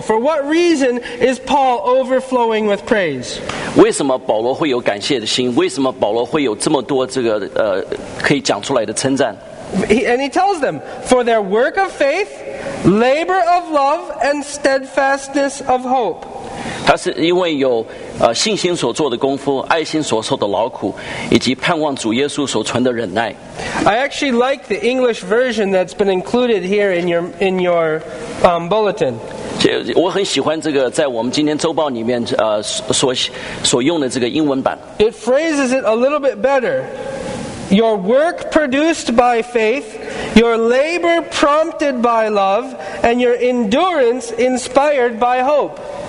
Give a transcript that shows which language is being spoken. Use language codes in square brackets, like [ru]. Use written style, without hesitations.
[en] For what reason is Paul overflowing with praise? [zh] 为什么保罗会有感谢的心?为什么保罗会有这么多这个, 可以讲出来的称赞? [en] And he tells them, for their work of faith, labor of love, and steadfastness of hope. [zh] 他是因为有, 信心所做的功夫,爱心所受的劳苦,以及盼望主耶稣所存的忍耐。 [en] I actually like the English version that's been included here in your bulletin. [zh] 我很喜欢这个在我们今天周报里面, 所用的这个英文版。 [en] It phrases it a little bit better. Your work produced by faith, your labor prompted by love, and your endurance inspired by hope.